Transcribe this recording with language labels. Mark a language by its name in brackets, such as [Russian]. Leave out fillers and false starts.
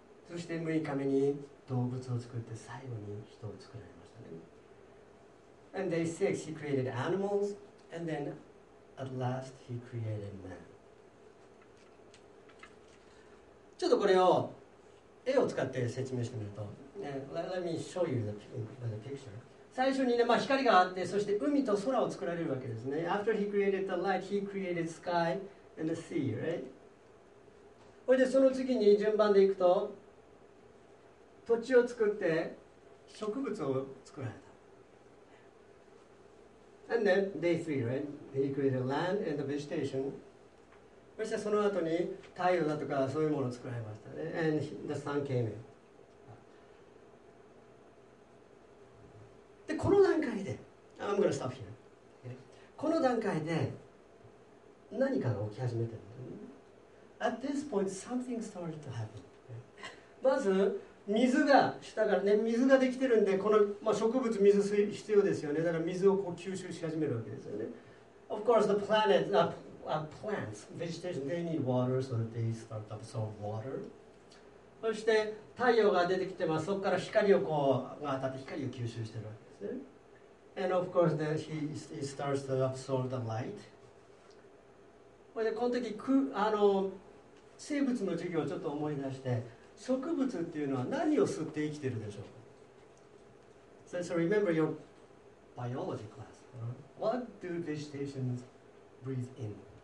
[Japanese] そして6日目に動物を作って最後に人を作られましたね。 [English] And day six, he created animals, and then at last, he created man. [Japanese] ちょっとこれを絵を使って説明してみると、 [English] Let me show you the picture. [Japanese] 最初に、ね、まあ、光があって、そして海と空を作られるわけですね。 [English] After he created the light, he created sky and the sea, right? [Japanese] それでその次に順番でいくと、土地を作って植物を作られた。 [English] And then day three, right? He created land and the vegetation. [Japanese] そしてその後に太陽だとかそういうものを作られましたね。 [English] And the sun came in. [Japanese] で、この段階で、 [English] I'm going to stop here. [Japanese] この段階で何かが起き始めてる。 [English] At this point, something started to happen. [Japanese] まず、水が、下からね、水ができてるんで、この、まあ、植物、水必要ですよね。だから水をこう吸収し始めるわけですよね。 [English] Of course, the planet, plants, vegetation, they need water, so that they start to absorb water. [Japanese] そして太陽が出てきて、まあ、そこから光をこう当たって光を吸収してるわけですね。 [English] And of course, then he starts to absorb the light. [Japanese] でこの時あの生物の授業をちょっと思い出して、植物っていうのは何を吸って生きてるでしょうか。 [English] So remember your biology class.、Huh? What do vegetations breathe in?